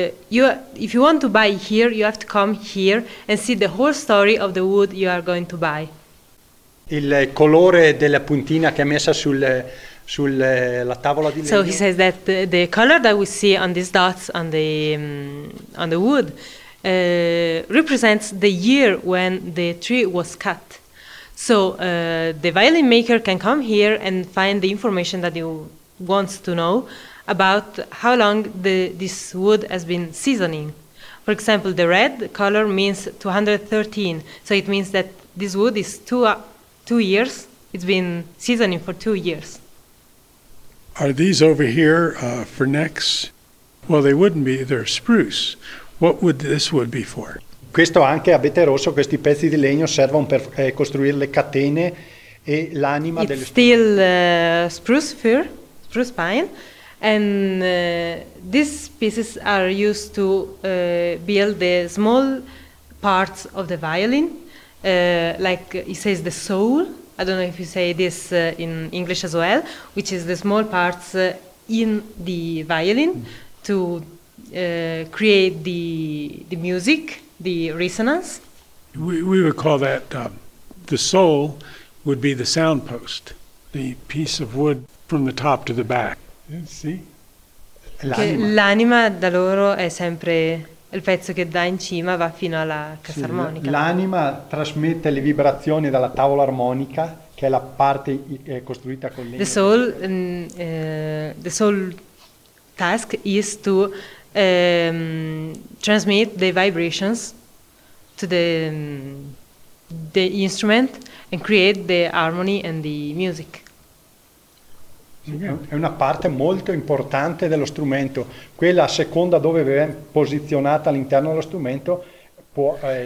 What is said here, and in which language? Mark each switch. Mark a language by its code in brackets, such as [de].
[en] If you want to buy here, you have to come here and see the whole story of the wood you are going to buy. [it] Il colore della puntina che è messa sulla tavola di legno. [en] So he says that the color that we see on these dots on the wood represents the year when the tree was cut. So the violin maker can come here and find the information that you wants to know about how long this wood has been seasoning. For example, the red color means 213. So it means that this wood is two years. It's been seasoning for 2 years. Are these over here for necks? Well, they wouldn't be. They're spruce. What would this wood be for? [it] Questo anche abete rosso, questi pezzi di legno servono per costruire le catene e l'anima. [en] It's still spruce fir. Spruce pine, and these pieces are used to build the small parts of the violin, like he says the soul. I don't know if you say this in English as well, which is the small parts in the violin to create the music, the resonance. We would call that the soul would be the sound post, the piece of wood. From the top to the back. See? [it] L'anima. L'anima da loro è sempre il pezzo che dà in cima, va fino alla cassa armonica. L'anima trasmette le vibrazioni dalla tavola armonica, che è la parte costruita con legno. [en] The soul task is to transmit the vibrations to the instrument and create the harmony and the music. [it] È una parte molto importante dello strumento. Quella a seconda dove viene posizionata all'interno dello strumento può